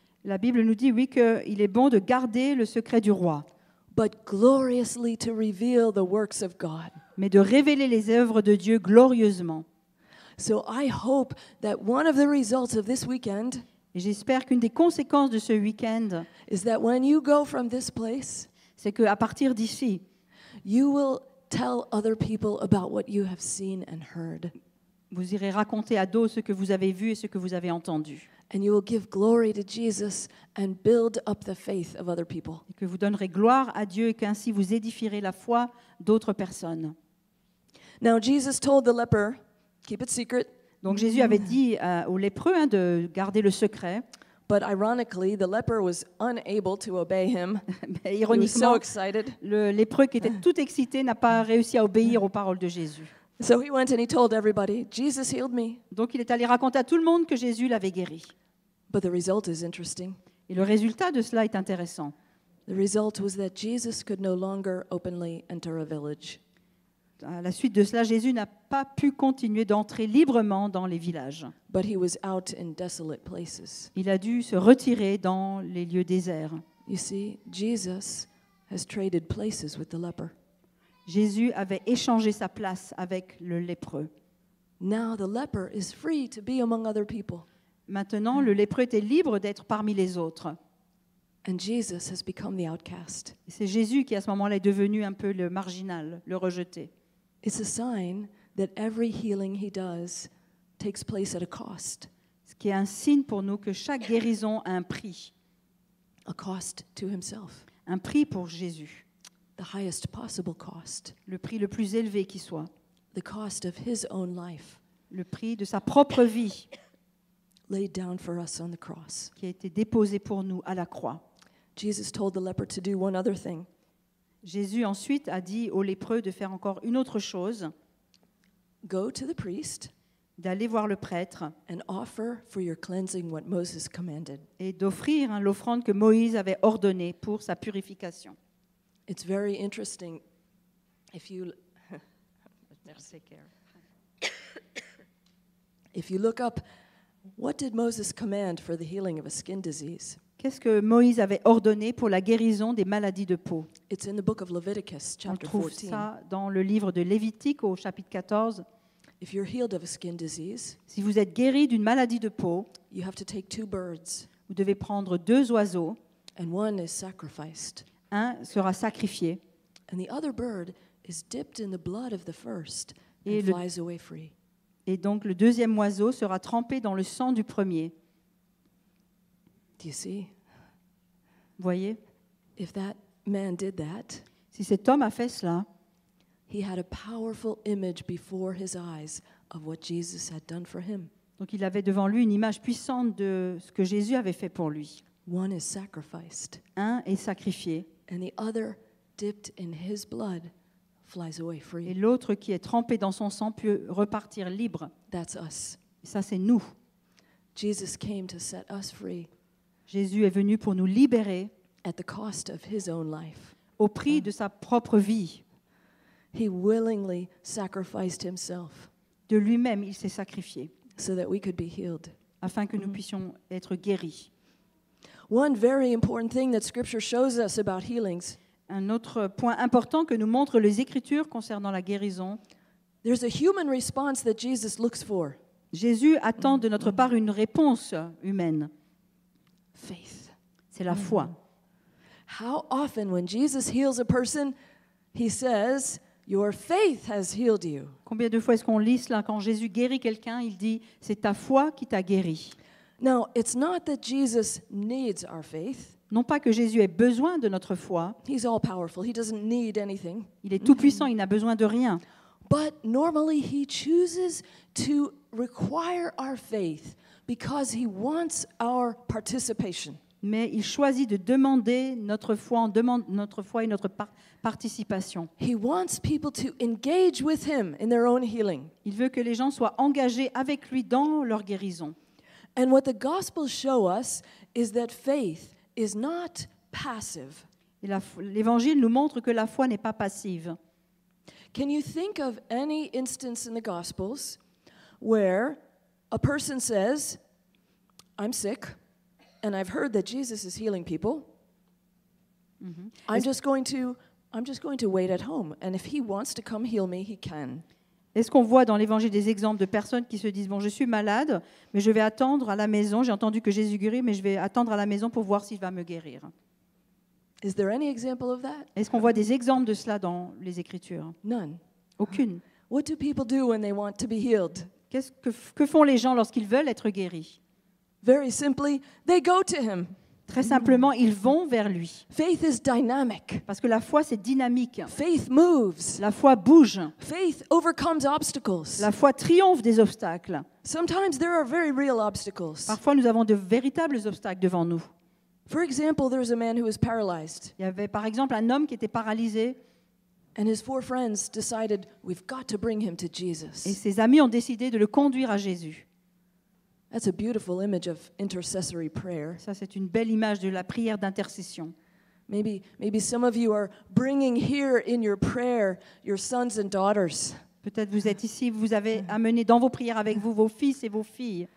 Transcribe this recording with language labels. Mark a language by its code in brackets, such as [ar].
[fr] La Bible nous dit oui que il est bon de garder le secret du roi. [en] But gloriously to reveal the works of God. [fr] Mais de révéler les œuvres de Dieu glorieusement. [en] So I hope that one of the results of this weekend. [fr] Et j'espère qu'une des conséquences de ce week-end. [en] Is that when you go from this place. [fr] C'est que à partir d'ici. [en] You will tell other people about what you have seen and heard. [fr] Vous irez raconter à d'autres ce que vous avez vu et ce que vous avez entendu. [en] And you will give glory to Jesus and build up the faith of other people. [fr] Et que vous donnerez gloire à Dieu et qu'ainsi vous édifierez la foi d'autres personnes. [en] Now Jesus told the leper, keep it secret. [fr] Donc Jésus avait dit aux lépreux de garder le secret. [en] But ironically, the leper was unable to obey him. [fr] Mais ironiquement, [en] he was so excited. [fr] Le lépreux qui était tout excité n'a pas réussi à obéir aux paroles de Jésus. [en] So he went and he told everybody, Jesus healed me. [fr] Donc il est allé raconter à tout le monde que Jésus l'avait guéri. [en] But the result is interesting. [fr] Et le résultat de cela est intéressant. [en] The result was that Jesus could no longer openly enter a village. [fr] À la suite de cela, Jésus n'a pas pu continuer d'entrer librement dans les villages. [en] But he was out in desolate places. [fr] Il a dû se retirer dans les lieux déserts. [en] You see, Jesus has traded places with the leper. [fr] Jésus avait échangé sa place avec le lépreux. [en] Now the leper is free to be among other people. [fr] Maintenant, le lépreux était libre d'être parmi les autres. [en] And Jesus has become the outcast. [fr] Et c'est Jésus qui, à ce moment-là, est devenu un peu le marginal, le rejeté. [en] It's a sign that every healing he does takes place at a cost. [fr] Ce qui est un signe pour nous que chaque guérison a un prix. [en] A cost to himself. [fr] Un prix pour Jésus. [en] The highest possible cost. [fr] Le prix le plus élevé qui soit. [en] The cost of his own life. [fr] Le prix de sa propre vie. [en] Laid down for us on the cross. [fr] Qui a été déposé pour nous à la croix. [en] Jesus told the leper to do one other thing. [fr] Jésus ensuite a dit aux lépreux de faire encore une autre chose. [en] Go to the priest. [fr] D'aller voir le prêtre. [en] And offer for your cleansing what Moses commanded. [fr] Et d'offrir l'offrande que Moïse avait ordonnée pour sa purification. [en] It's very interesting if you if you look up what did Moses command for the healing of a skin disease. [fr] Qu'est-ce que Moïse avait ordonné pour la guérison des maladies de peau? [en] It's in the book of Leviticus, chapter 14. [fr] On trouve ça dans le livre de Lévitique au chapitre 14. [en] If you're healed of a skin disease, [fr] si vous êtes guéri d'une maladie de peau, [en] you have to take two birds. [fr] Vous devez prendre deux oiseaux. [en] And one is sacrificed. [fr] Un sera sacrifié. [en] And the other bird is dipped in the blood of the first and flies away free. [fr] Et donc le deuxième oiseau sera trempé dans le sang du premier. [en] Do you see? [fr] Voyez? [en] If that man did that, [fr] si cet homme a fait cela, [en] he had a powerful image before his eyes of what Jesus had done for him. [fr] Donc il avait devant lui une image puissante de ce que Jésus avait fait pour lui. [en] One is sacrificed. [fr] Un est sacrifié. [en] And the other, dipped in his blood, flies away free. [fr] Et l'autre qui est trempé dans son sang peut repartir libre. [en] That's us. [fr] Et ça, c'est nous. [en] Jesus came to set us free. [fr] Jésus est venu pour nous libérer. [en] At the cost of his own life. [fr] Au prix de sa propre vie. [en] He willingly sacrificed himself. [fr] De lui-même, il s'est sacrifié. [en] So that we could be healed. [fr] Afin que nous puissions être guéris. [en] One very important thing that Scripture shows us about healings. [fr] Un autre point important que nous montrent les Écritures concernant la guérison. [en] There's a human response that Jesus looks for. [fr] Jésus attend de notre part une réponse humaine. [en] Faith. [fr] C'est la foi. [en] How often when Jesus heals a person, he says, "Your faith has healed you." [fr] Combien de fois est-ce qu'on lit cela quand Jésus guérit quelqu'un, il dit, "C'est ta foi qui t'a guéri." [en] Now, it's not that Jesus needs our faith. [fr] Non pas que Jésus ait besoin de notre foi. [en] He's all powerful. He doesn't need anything. [fr] Il est tout puissant, il n'a besoin de rien. [en] But normally he chooses to require our faith because he wants our participation. [fr] Mais il choisit de demander notre foi, on demande notre foi et notre participation. [en] He wants people to engage with him in their own healing. [fr] Il veut que les gens soient engagés avec lui dans leur guérison. [en] And what the gospel show us is that faith is not passive. [fr] Et l'évangile nous montre que la foi n'est pas passive. [en] Can you think of any instance in the gospels where a person says, I'm sick and I've heard that Jesus is healing people. Mm-hmm. I'm just going to wait at home and if he wants to come heal me, he can. [fr] Est-ce qu'on voit dans l'évangile des exemples de personnes qui se disent, bon, je suis malade, mais je vais attendre à la maison, j'ai entendu que Jésus guérit, mais je vais attendre à la maison pour voir s'il va me guérir. [en] Is there any example of that? [fr] Est-ce qu'on voit des exemples de cela dans les Écritures? [en] None. [fr] Aucune. [en] What do people do when they want to be healed? [fr] Que font les gens lorsqu'ils veulent être guéris? [en] Very simply, they go to him. [fr] Très simplement, ils vont vers lui. [en] Faith is dynamic. [fr] Parce que la foi, c'est dynamique. [en] Faith moves. [fr] La foi bouge. [en] Faith overcomes obstacles. [fr] La foi triomphe des obstacles. [en] Sometimes there are very real obstacles. [fr] Parfois, nous avons de véritables obstacles devant nous. [en] For example, there was a man who was paralyzed. [fr] Il y avait par exemple un homme qui était paralysé. [en] And his four friends decided, we've got to bring him to Jesus. [fr] Et ses amis ont décidé de le conduire à Jésus. [en] That's a beautiful image of intercessory prayer. [fr] Ça, c'est une belle image de la prière d'intercession. [en] Maybe some of you are bringing here in your prayer your sons and daughters. [fr] Peut-être vous êtes ici, vous avez amené dans vos prières avec vous vos fils et vos filles.